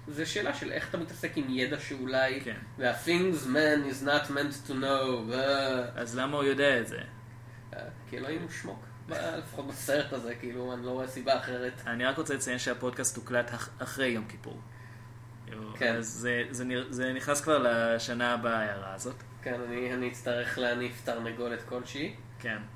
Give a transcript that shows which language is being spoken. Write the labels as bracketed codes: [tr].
[he] זה שאלה של איך אתה מתעסק עם ידע שאולי כן. [en] The things man is not meant to know. [he] אז למה הוא יודע את זה? כי אלוהים הוא שמוק. לפחות בסרט הזה, כאילו, אני לא רואה סיבה אחרת. אני רק רוצה לציין שהפודקאסט הוקלט אחרי יום כיפור. כן. אז זה נכנס כבר לשנה הבאה, הערה הזאת. כן, אני אצטרך להניף תרנגולת כלשהי. כן.